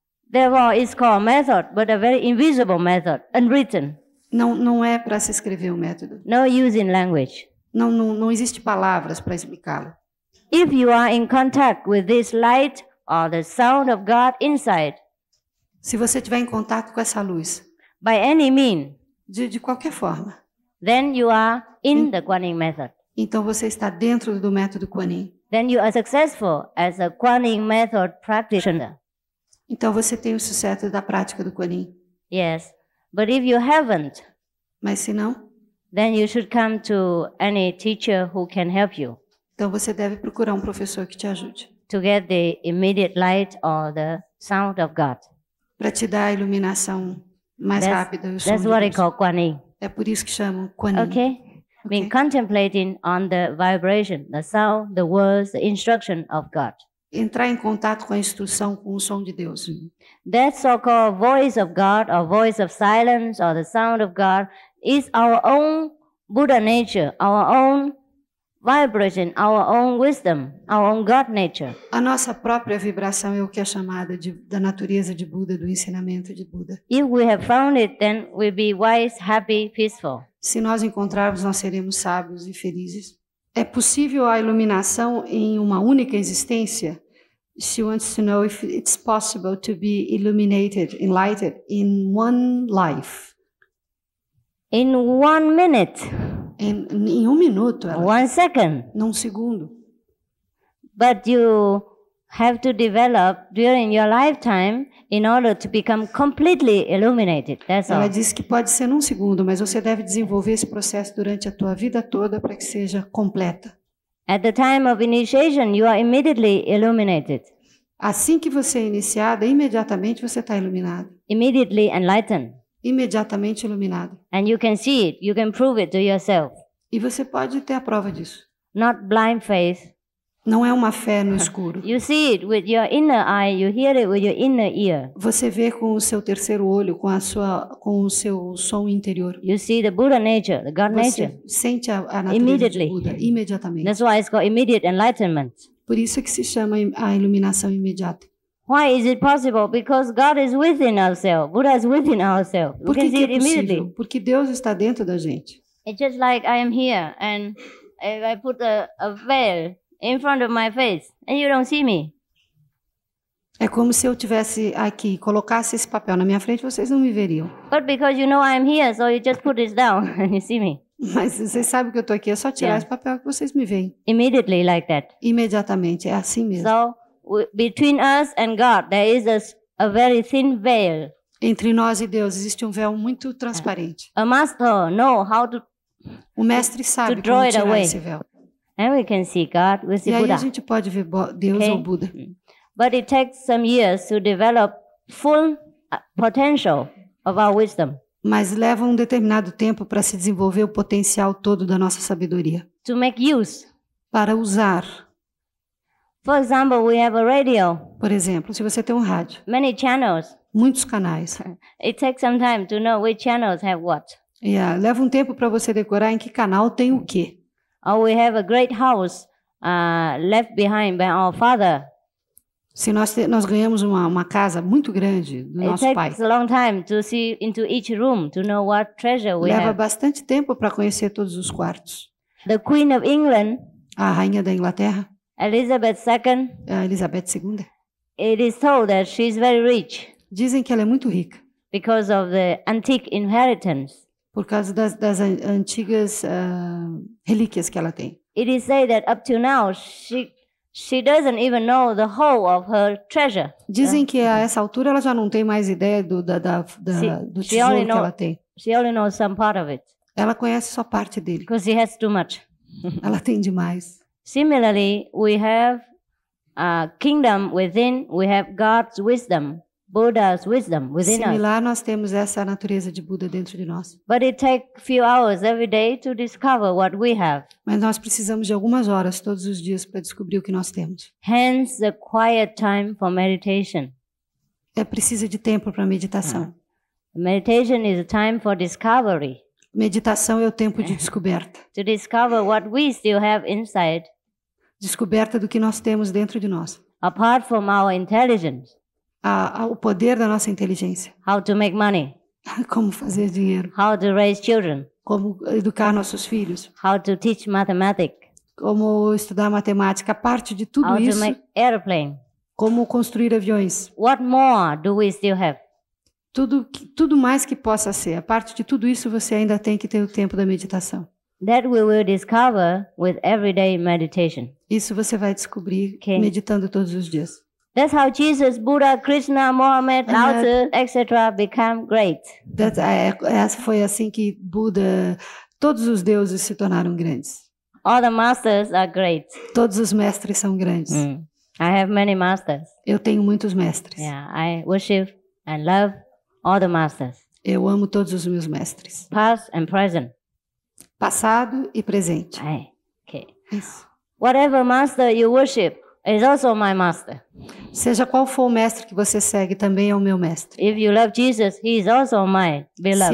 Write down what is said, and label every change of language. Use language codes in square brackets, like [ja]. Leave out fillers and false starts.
[en] Therefore, it's called method, but a very invisible method, unwritten. [pt] Não é para se escrever o método. [en] No using language. [pt] Não existe palavras para explicá-lo. [en] If you are in contact with this light or the sound of God inside. [pt] Se você tiver em contato com essa luz. [en] By any mean. [pt] De qualquer forma. [en] Then you are in the Kuan Yin method. [pt] Então você está dentro do método Kuan Yin. [en] Then you are successful as a Kuan Yin method practitioner. [pt] Então você tem o sucesso da prática do Kuan Yin. [en] Yes. But if you haven't. [pt] Mas se não. [en] Then you should come to any teacher who can help you. [pt] Então você deve procurar um professor que te ajude. [en] To get the immediate light or the sound of God. [pt] Para te dar a iluminação mais rápida. [en] That's what they call Kuan Yin. [pt] É por isso que chamam Kuan Yin. [en] Okay. Been contemplating on the vibration, the sound, the words, the instruction of God. [pt] Entrar em contato com a instrução, com o som de Deus. [en] That so-called voice of God, or voice of silence, or the sound of God, is our own Buddha nature, our own vibration, our own wisdom, our own God nature. [pt] A nossa própria vibração é o que é chamada da natureza de Buda, do ensinamento de Buda. [en] If we have found it, then we'll be wise, happy, peaceful. [pt] Se nós encontrarmos, nós seremos sábios e felizes. É possível a iluminação em uma única existência? [en] She wants to know if it's possible to be illuminated, enlightened in one life. In 1 minute. [pt] Em um minuto. Ela, [en] one second. [pt] Num segundo. [en] But you have to develop during your lifetime in order to become completely illuminated. That's [pt] ela [en] all. [pt] Ela disse que pode ser num segundo, mas você deve desenvolver esse processo durante a tua vida toda para que seja completa. [en] At the time of initiation, you are immediately illuminated. [pt] Assim que você é iniciada, imediatamente você está iluminado. [en] Immediately enlightened. [pt] Imediatamente iluminado. [en] And you can see it, you can prove it to yourself. [pt] E você pode ter a prova disso. [en] Not blind faith. [pt] Não é uma fé no escuro. [en] You see it with your inner eye, you hear it with your inner ear. [pt] Você vê com o seu terceiro olho, com o seu som interior. [en] You see the Buddha nature, the God nature. [pt] Você sente a natureza de Buda, imediatamente. [en] That's why it's called immediate enlightenment. [pt] Por isso que se chama a iluminação imediata. [en] Why is it possible? Because God is within ourselves. Buddha is within ourselves. [pt] Por que é possível? Porque Deus está dentro da gente. [en] It's just like I am here and if I put a veil in front of my face and you don't see me. [pt] É como se eu tivesse aqui, colocasse esse papel na minha frente, vocês não me veriam. [en] But because you know I am here, so you just put this down and you see me. [pt] Mas você sabe que eu tô aqui, é só tirar esse papel que vocês me veem. [en] Immediately like that. [pt] Imediatamente, é assim mesmo. [en] So, between us and God, there is a very thin veil. [pt] Entre nós e Deus existe véu muito transparente. [en] A master knows how to. [pt] O mestre sabe como tirar esse véu. [en] And we can see God with the Buddha. [pt] E aí a gente pode ver Deus ou Buda. [en] But it takes some years to develop full potential of our wisdom. [pt] Mas leva determinado tempo para se desenvolver o potencial todo da nossa sabedoria. [en] To make use. [pt] Para usar. [en] For example, we have a radio. [pt] Por exemplo, se você tem rádio. [en] Many channels. [pt] Muitos canais. [en] It takes some time to know which channels have what. [pt] Yeah, leva tempo para você decorar em que canal tem o quê. [en] Or we have a great house left behind by our father. [pt] Se nós ganhamos uma casa muito grande do [en] it [pt] nosso [en] takes [pt] pai. [en] It's a long time to see into each room to know what treasure we [pt] leva [en] have. [pt] Leva bastante tempo para conhecer todos os quartos. [en] The Queen of England. [pt] A rainha da Inglaterra. [en] Elizabeth II. [pt] Elizabeth II. [en] It is told that she is very rich. [pt] Dizem que ela é muito rica. [en] Because of the antique inheritance. [pt] Por causa das antigas relíquias que ela tem. [en] It is said that up to now she doesn't even know the whole of her treasure. [pt] Dizem que a essa altura ela já não tem mais ideia do tesouro que ela tem. [en] She only knows some part of it. [pt] Ela conhece só parte dele. [en] Because she has too much. [pt] Ela tem demais. [en] Similarly, we have a kingdom within, we have God's wisdom, Buddha's wisdom within [pt] similar, [en] us. [pt] Similar, nós temos essa natureza de Buda dentro de nós. [en] But it takes a few hours every day to discover what we have. [pt] Mas nós precisamos de algumas horas todos os dias para descobrir o que nós temos. [en] Hence the quiet time for meditation. [pt] É preciso de tempo para meditação. [en] Meditation is a time for discovery. [pt] Meditação é o tempo de descoberta. [en] To discover what we still have inside. [pt] Descoberta do que nós temos dentro de nós. [en] Apart from our intelligence. [pt] o poder da nossa inteligência. [en] How to make money? [pt] Como fazer dinheiro? [en] How to raise children? [pt] Como educar nossos filhos? [en] How to teach mathematics? [pt] Como estudar matemática? Parte de tudo [en] How [pt] isso. [en] How to make airplane? [pt] Como construir aviões? [en] What more do we still have? [pt] Tudo mais que possa ser. A parte de tudo isso você ainda tem que ter o tempo da meditação. [en] That we will discover with everyday meditation. [pt] Isso você vai descobrir okay. meditando todos os dias. [en] That's how Jesus, Buddha, Krishna, Mohammed, Lao Tzu, etc. become great. [pt] Foi assim que Buda, todos os deuses se tornaram grandes. [en] All the masters are great. [pt] Todos os mestres são grandes. Mm. [en] I have many masters. [pt] Eu tenho muitos mestres. [en] Yeah, I worship and love all the masters. [pt] Eu amo todos os meus mestres. [en] Past and present. [pt] Passado e presente. Ai, okay. Isso. [en] Whatever master you worship is also my master. [pt] Seja qual for o mestre que você segue, também é o meu mestre. [en] If you love Jesus, he is also my beloved.